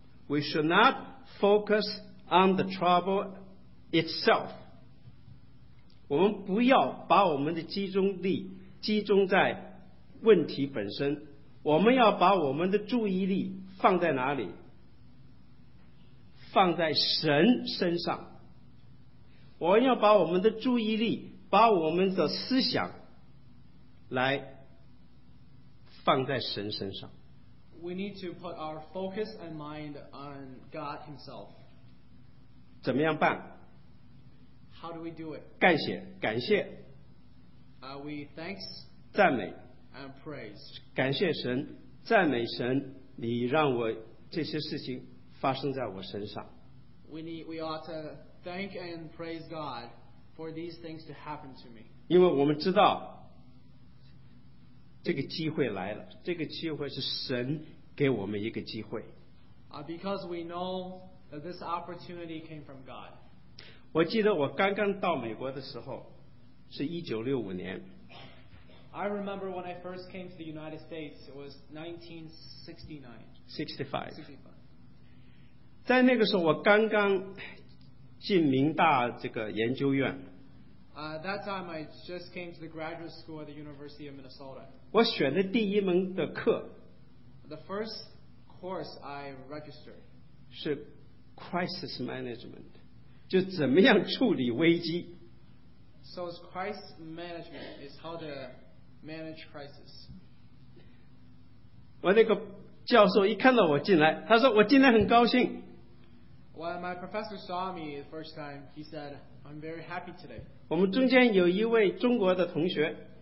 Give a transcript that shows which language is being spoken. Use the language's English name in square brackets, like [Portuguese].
[English] We should not focus on the trouble itself. [Chinese] 我们不要把我们的集中在问题本身，我们要把我们的注意力放在哪里？放在神身上。我们要把我们的注意力，把我们的思想来放在神身上。 [English] We need to put our focus and mind on God Himself. [Chinese] 怎么样办？ [English] How do we do it? [Chinese] 感谢。 [English] Are we thanks? [Chinese] 赞美 [English] and praise. [Chinese] 感谢神，赞美神，你让我这些事情发生在我身上。 [English] We ought to thank and praise God for these things to happen to me. [Chinese] 因为我们知道这个机会来了，这个机会是神给我们一个机会。 [English] Because we know that this opportunity came from God. [Chinese] 我记得我刚刚到美国的时候是1965年。 [English] I remember when I first came to the United States, it was 1965. [Chinese] 在那个时候我刚刚进明大这个研究院。 [English] That time I just came to the graduate school at the University of Minnesota. [Chinese] 我选的第一门的课， [English] The first course I registered. [Chinese] 是 [English] crisis management, [Chinese] 就怎么样处理危机。 [English] So it's crisis management, is how to manage crisis. [Chinese] 我那个教授一看到我进来，他说我进来很高兴。 [English] When my professor saw me the first time, he said, I'm very happy today. [Chinese] 我们中间有一位中国的同学。